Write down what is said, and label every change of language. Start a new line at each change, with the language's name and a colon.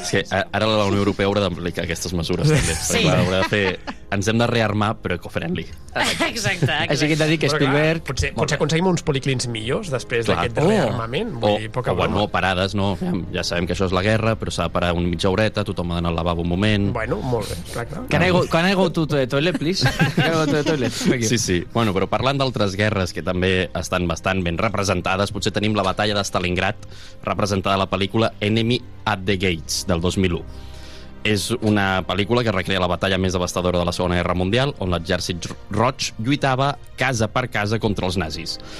Catalan: Sí, ara la Unió Europea haurà d'aplicar aquestes mesures, també. Sí. Haurà de fer... ens hem de rearmar, però eco-friendly. Exacte. Així que hem de dir que Spielberg... clar, potser aconseguim uns policlins millors després d'aquest rearmament. Bueno, parades, no. Ja sabem que això és la guerra, però s'ha de parar un mitja horeta, tothom ha d'anar al lavabo un moment... Bueno, molt bé.
English: Can I go to the toilet, please?
Catalan: Sí, sí. Bueno, però parlant d'altres guerres que també estan bastant ben representades, potser tenim la batalla de Stalingrad representada a la pel·lícula Enemy at the Gates, del 2001. És una pel·lícula que recrea la batalla més devastadora de la Segona Guerra Mundial, on l'exèrcit roig lluitava casa per casa contra els nazis.